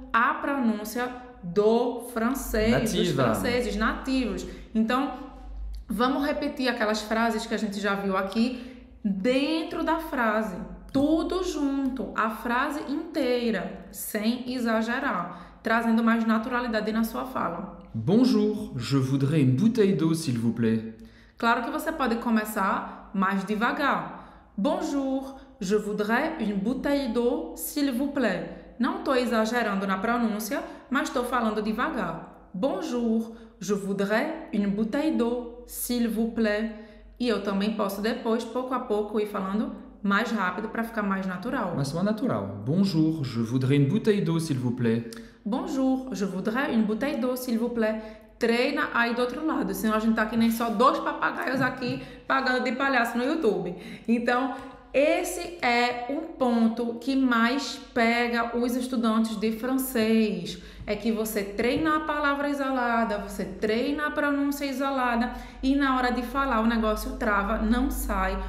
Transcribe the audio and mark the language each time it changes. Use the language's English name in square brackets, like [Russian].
[Portuguese] a pronúncia do francês, nativa, dos franceses nativos. Então, vamos repetir aquelas frases que a gente já viu aqui dentro da frase. Tudo junto, a frase inteira, sem exagerar, trazendo mais naturalidade na sua fala. [French] Bonjour, je voudrais une bouteille d'eau, s'il vous plaît. [Portuguese] Claro que você pode começar mais devagar. [French] Bonjour, je voudrais une bouteille d'eau, s'il vous plaît. [Portuguese] Não estou exagerando na pronúncia, mas estou falando devagar. [French] Bonjour, je voudrais une bouteille d'eau, s'il vous plaît. [Portuguese] E eu também posso depois, pouco a pouco, ir falando mais rápido para ficar mais natural. Mas é natural. [French] Bonjour, je voudrais une bouteille d'eau, s'il vous plaît. Bonjour, je voudrais une bouteille d'eau, s'il vous plaît. [Portuguese] Treina aí do outro lado, senão a gente tá aqui nem só dois papagaios aqui pagando de palhaço no YouTube. Então, esse é um ponto que mais pega os estudantes de francês. É que você treina a palavra isolada, você treina a pronúncia isolada e na hora de falar o negócio trava, não sai.